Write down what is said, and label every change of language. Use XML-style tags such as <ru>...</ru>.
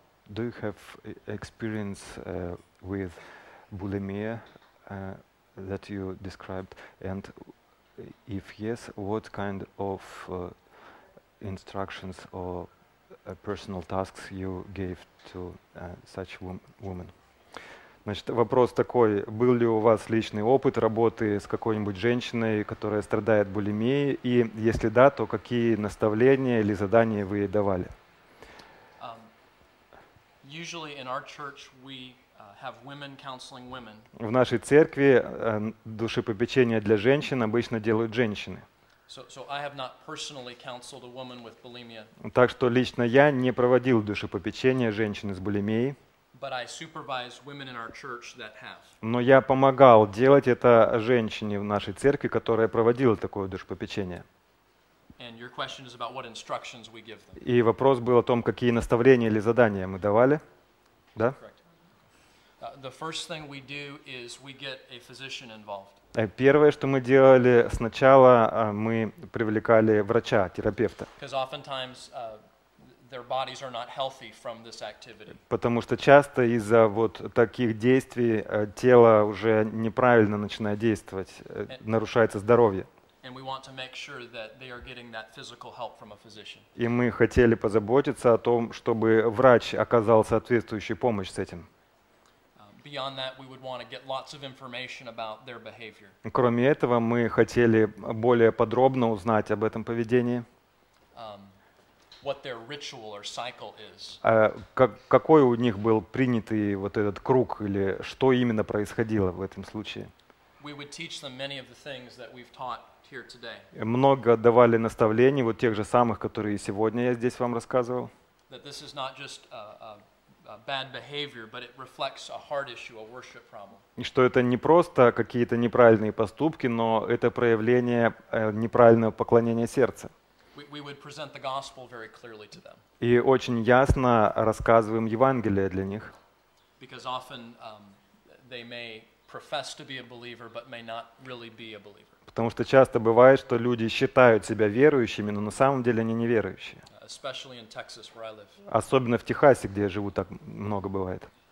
<en>Do you have experience with bulimia that you described? And if yes, what kind of instructions or personal tasks you gave to such woman?</en> <ru>Значит, вопрос такой: был ли у вас личный опыт работы с какой-нибудь женщиной, которая страдает булимией? И если да, то какие наставления или задания вы ей давали?</ru> <en>Usually in our church we have women counseling women.</en> <ru>В нашей церкви душепопечение для женщин обычно делают женщины.</ru> <en>So I have not personally counseled a woman with bulimia.</en> <ru>Так что лично я не проводил душепопечение женщины с булимией.</ru> <en>But I supervise women in our church that have.</en> <ru>Но я помогал делать это женщине в нашей церкви, которая проводила такое душепопечение.</ru> <en>And your question is about what instructions we give them.</en> <ru>И вопрос был о том, какие наставления или задания мы давали. Да?</ru> <en>The first thing we do is we get a physician involved.</en> <ru>Первое, что мы делали, сначала мы привлекали врача, терапевта.</ru> <en>Because oftentimes their bodies are not healthy from this activity.</en> <ru>Потому что часто из-за вот таких действий тело уже неправильно начинает действовать, нарушается здоровье.</ru> <en>And we want to make sure that they are getting that physical help from a physician.</en> <ru>И мы хотели позаботиться о том, чтобы врач оказал соответствующую помощь с этим.</ru> <en>Beyond that, we would want to get lots of information about their behavior.</en> <ru>Кроме этого, мы хотели более подробно узнать об этом поведении.</ru> <en>What their ritual or cycle is.</en> <ru>Какой у них был принятый вот этот круг или что именно происходило в этом случае?</ru> <en>We would teach them many of the things that we've taught. Here today.</en> <ru>Много давали наставлений, вот тех же самых, которые сегодня я здесь вам рассказывал.</ru> <en>That this is not just a bad behavior, but it reflects a heart issue, a worship problem.</en> <ru>И что это не просто какие-то неправильные поступки, но это проявление неправильного поклонения сердца.</ru> <en>We would present the gospel very clearly to them.</en> <ru>И очень ясно рассказываем Евангелие для них.</ru> <en>Because often they may profess to be a believer, but may not really be a believer.</en> <ru>Потому что часто бывает, что люди считают себя верующими, но на самом деле они неверующие.</ru> <en>Texas,</en> <ru>особенно в Техасе, где я живу, так много бывает.</ru>